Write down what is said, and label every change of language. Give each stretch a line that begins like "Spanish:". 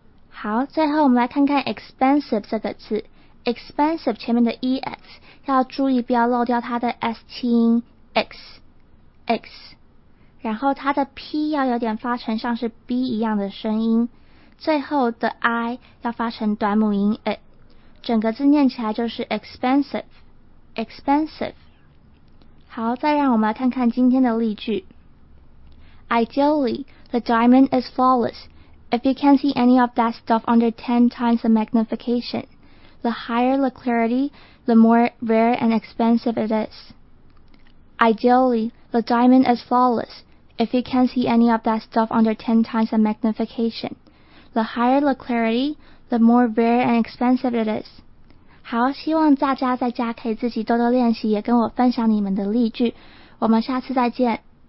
Chinese: 好，最后我们来看看 expensive 这个字， expensive 前面的 EX 要注意不要漏掉它的 ST 音 X， X，然后它的 P 要有点发成像是 B 一样的声音，最后的 I 要发成短母音 A， 整个字念起来就是 expensive， expensive。好，再让我们来看看今天的例句。
English: Ideally, the diamond is flawless if you can't see any of that stuff under 10 times the magnification. The higher the clarity, the more rare and expensive it is. Ideally, the diamond is flawlessIf you can't see any of that stuff under 10 times the magnification. The higher the clarity, the more rare and expensive it is.
Chinese: 好，希望大家在家可以自己多多练习，也跟我分享你们的例句。我们下次再见。